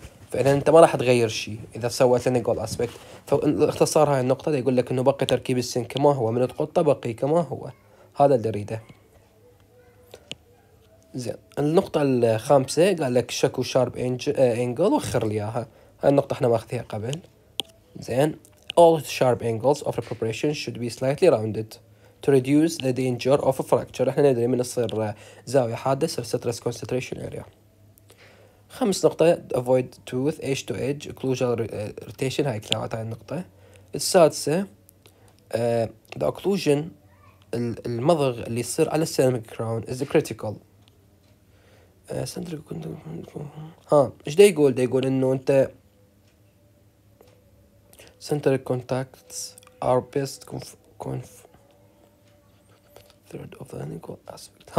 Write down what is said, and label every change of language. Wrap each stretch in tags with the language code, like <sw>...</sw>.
<ar>فإذا أنت ما راح تغير شيء إذا سويت لينجوال أسبكت، فاختصار هاي النقطة يقول لك إنه بقي تركيب السن كما هو، من القطة بقي كما هو، هذا اللي أريده. زين، النقطة الخامسة قال لك شكو شارب إنجل وخر لياها، هاي النقطة إحنا ماخذيها قبل.</ar> <en>زين، all sharp angles of preparation should be slightly rounded to reduce the danger of a fracture،</en> <ar>إحنا ندري من تصير زاوية حادة تصير</ar> <en>stress concentration area.</en> <ar>خمس نقطة</ar> <en>avoid tooth edge to edge occlusal rotation،</en> <ar>هاي كلاوات هاي النقطة. السادسة</ar> <en>the occlusion</en> <ar>المضغ اللي يصير على السيراميك كراون</ar> <en>is critical.</en> <ar>سندريك كنت ها ايش دا يقول؟ دا يقول انه انت</ar> <en>centric contacts are best conf third of the clinical aspect.</en>